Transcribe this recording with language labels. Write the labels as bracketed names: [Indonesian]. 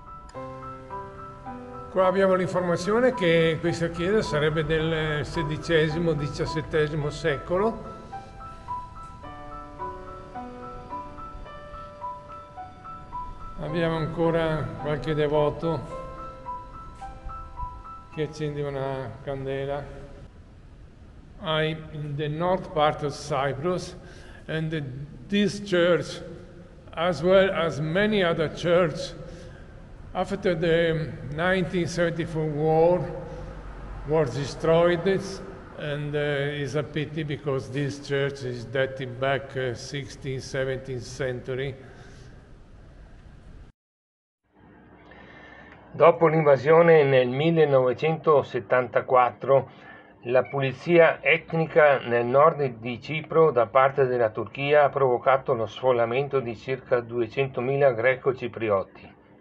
[Italian] Qua abbiamo l'informazione che questa chiesa sarebbe del XVI-XVII secolo. Abbiamo ancora qualche devoto che accende una candela. [English] I'm in the north part of Cyprus, and this church, as well as many other churches, after the 1974 war, was destroyed. And it's a pity because this church is dating back 16th, 17th century. [Italian] Dopo l'invasione nel 1974, la pulizia etnica nel nord di Cipro da parte della Turchia ha provocato lo sfollamento di circa 200.000 greco-ciprioti.